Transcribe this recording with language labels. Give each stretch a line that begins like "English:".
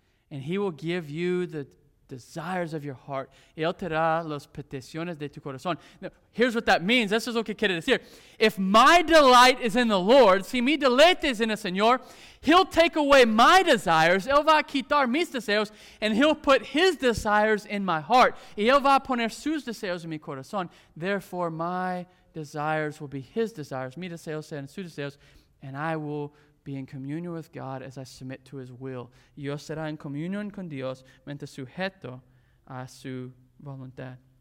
English: And He will give you the desires of your heart.
Spanish: Y Él te da las peticiones de tu corazón.
English: Now, here's what that means.
Spanish: Eso es lo que quiere decir.
English: If my delight is in the Lord,
Spanish: si mi deleite es en el Señor,
English: He'll take away my desires.
Spanish: Él va a quitar mis deseos
English: and He'll put His desires in my heart.
Spanish: Y Él va a poner sus deseos en mi corazón.
English: Therefore, my desires will be His desires.
Spanish: Mi deseos serán sus deseos.
English: And I will be in communion with God as I submit to His will.
Spanish: Yo será en comunión con Dios mientras sujeto a su voluntad.